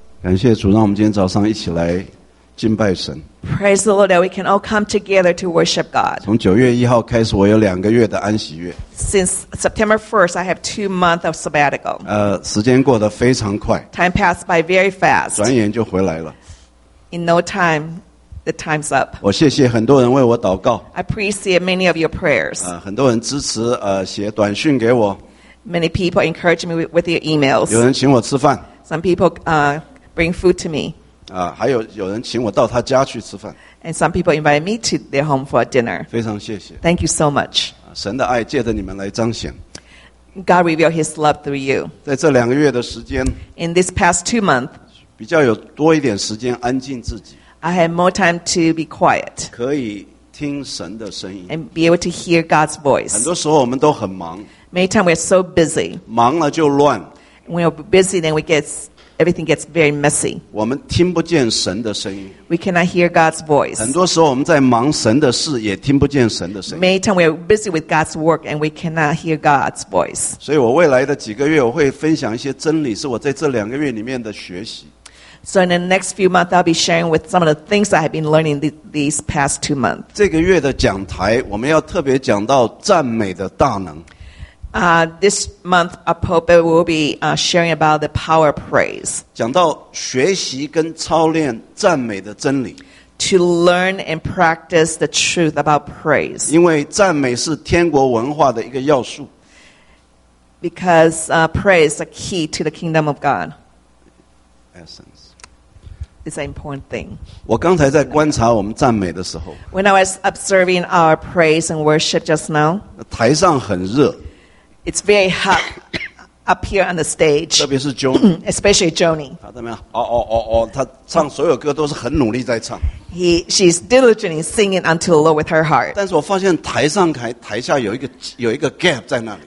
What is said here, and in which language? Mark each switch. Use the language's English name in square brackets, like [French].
[Chinese] 感谢主，让我们今天早上一起来敬拜神。 [English] Praise the Lord that we can all come together to worship God. [Chinese] 从9月1号开始，我有两个月的安息月。 [English] Since September 1st, I have 2 months of sabbatical. [Chinese] 时间过得非常快。 [English] Time passed by very fast. [Chinese] 转眼就回来了。 [English] In no time, the time's up. [Chinese] 我谢谢很多人为我祷告。 [English] I appreciate many of your prayers. [Chinese] 很多人支持，写短讯给我。 [English] Many people encourage me with your emails. [Chinese] 有人请我吃饭。 [English] Some people, bring food to me. [Chinese] 还有有人请我到他家去吃饭。 [English] And some people invite me to their home for dinner. [Chinese] 非常谢谢。 [English] Thank you so much. [Chinese] 神的爱借着你们来彰显。 [English] God revealed His love through you. [Chinese] 在这两个月的时间。 [English] In this past 2 months. [Chinese] 比较有多一点时间安静自己。 [English] I had more time to be quiet. [Chinese] 可以听神的声音。 [English] And be able to hear God's voice. [Chinese] 很多时候我们都很忙。 [English] Many times we're so busy. [Chinese] 忙了就乱。 [English] When we're busy, then everything gets very messy. [Chinese] 我们听不见神的声音。 [English] We cannot hear God's voice. [Chinese] 很多时候我们在忙神的事，也听不见神的声音。 [English] Many times we're busy with God's work, and we cannot hear God's voice. [Chinese] 所以我未来的几个月，我会分享一些真理，是我在这两个月里面的学习。 [English] So in the next few months, I'll be sharing with some of the things I have been learning these past 2 months. [Chinese] 这个月的讲台，我们要特别讲到赞美的大能。 [English] This month, a pulpit will be sharing about the power of praise. [Chinese] 讲到学习跟操练赞美的真理。 [English] To learn and practice the truth about praise. [Chinese] 因为赞美是天国文化的一个要素。 [English] Because praise is a key to the kingdom of God. Essence. It's an important thing. [Chinese] 我刚才在观察我们赞美的时候。 [English] When I was observing our praise and worship just now. [Chinese] 台上很热。 [English] It's very hot up here on the stage. [Chinese] 特别是 Joni, [English] especially Joni. [Chinese] 他怎么样？他唱所有歌都是很努力在唱。 [English] She's diligently singing until low with her heart. [Chinese] 但是我发现台上台下有一个 gap 在那里。